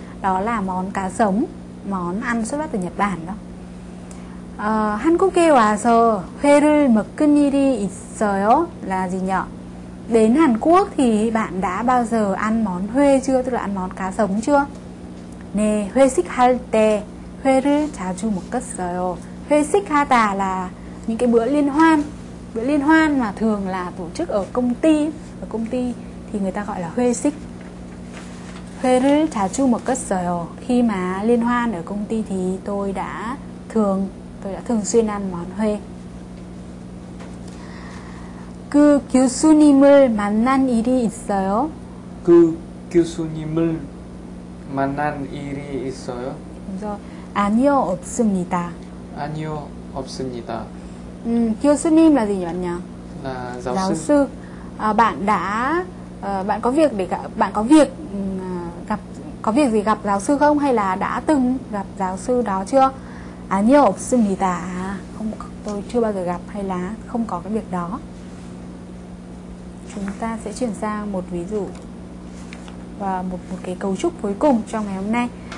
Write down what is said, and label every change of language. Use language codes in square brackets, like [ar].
[vi] Đó là món cá sống, món ăn xuất phát từ Nhật Bản đó. [ko] 한국에 와서 회를 먹은 일이 있어요? [vi] Là gì nhỉ? Đến Hàn Quốc thì bạn đã bao giờ ăn món huê chưa, tức là ăn món cá sống chưa? [ko] 네, 회식할 때 회를 자주 먹었어요. [vi] 회식하다 là những cái bữa liên hoan. Bữa liên hoan mà thường là tổ chức ở công ty. Ở công ty thì người ta gọi là 회식. [ko] 회를 자주 먹었어요. [vi] Khi mà liên hoan ở công ty thì tôi đã thường xuyên ăn món huê. [ko] 그 교수님을 만난 일이 있어요? 그 교수님을 만난 일이 있어요? 그래서 아니요 없습니다. 아니요 없습니다. [vi] 교수님 là gì nhỉ? Là giáo sư. Bạn đã bạn có việc để bạn có việc gặp có việc gì gặp giáo sư không, hay là đã từng gặp giáo sư đó chưa? [ko] 아니요 없습니다. [vi] Không, tôi chưa bao giờ gặp, hay là không có cái việc đó. Chúng ta sẽ chuyển sang một ví dụ và một cái cấu trúc cuối cùng trong ngày hôm nay.